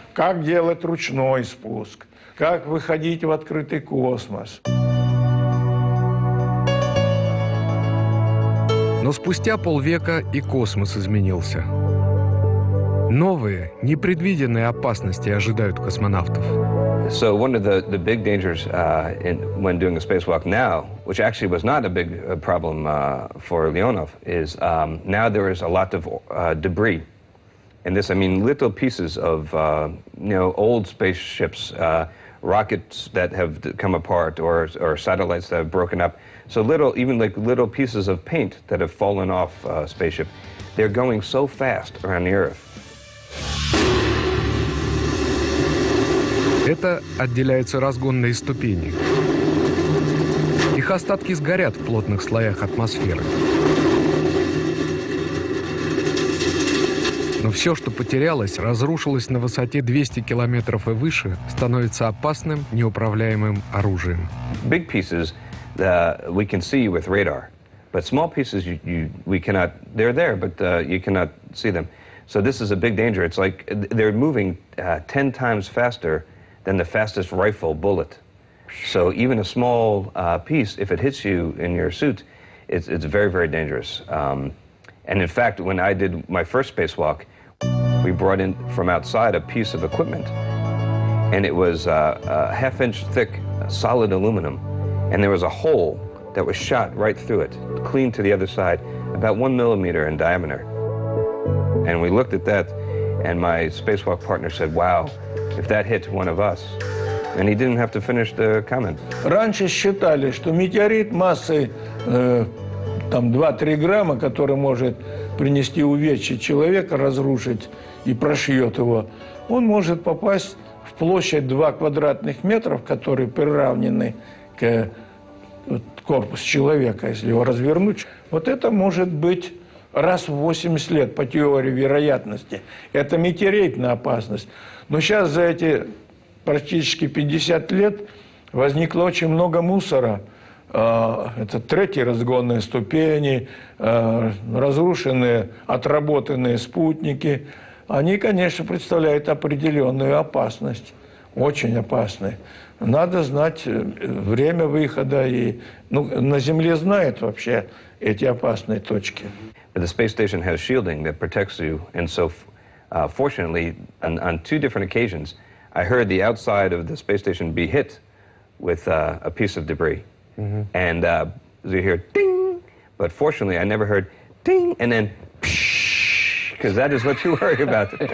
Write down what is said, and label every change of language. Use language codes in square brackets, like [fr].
[ru] Как делать ручной спуск? Как выходить в открытый космос? Но спустя полвека и космос изменился. Новые, непредвиденные опасности ожидают космонавтов. [en] So one of the big dangers in when doing a spacewalk now, which actually was not a big problem for Leonov, is now there is a lot of debris. And this, I mean, little pieces of old spaceships, rockets that have come apart, or satellites that have broken up. So little, even like little pieces of paint that have fallen off a spaceship, they're going so fast around the Earth. [ru] Это отделяются разгонные ступени. И Их остатки сгорят в плотных слоях атмосферы. Но все, что потерялось, разрушилось на высоте 200 километров и выше, становится опасным, неуправляемым оружием. [en] Big pieces we can see with radar, but small pieces we cannot. They're there, but you cannot see them. So this is a big danger. It's like they're moving 10 times faster than the fastest rifle bullet. So even a small piece, if it hits you in your suit, it's very, very dangerous. And in fact, when I did my first spacewalk, we brought in from outside a piece of equipment, and it was a half-inch thick solid aluminum, and there was a hole that was shot right through it, clean to the other side, about 1 millimeter in diameter. And we looked at that, and my spacewalk partner said, wow, if that hit one of us, and he didn't have to finish the comment. [ru] Раньше считали, что метеорит массой там 2-3 грамма, который может принести увечья человека, разрушить и прошьет его, он может попасть в площадь 2 квадратных метров, которые приравнены к корпусу человека, если его развернуть. Вот это может быть раз в 80 лет по теории вероятности. Это метеоритная опасность. Но сейчас за эти практически 50 лет возникло очень много мусора. Это третьи разгонные ступени, разрушенные, отработанные спутники. Они, конечно, представляют определенную опасность, очень опасные. Надо знать время выхода и, ну, на Земле знают вообще эти опасные точки. [en] The space station has shielding that protects you, and so fortunately, on two different occasions, I heard the outside of the space station be hit with a piece of debris. Mm-hmm. And you hear ding, but fortunately I never heard ding and then psh, because that is what you worry about.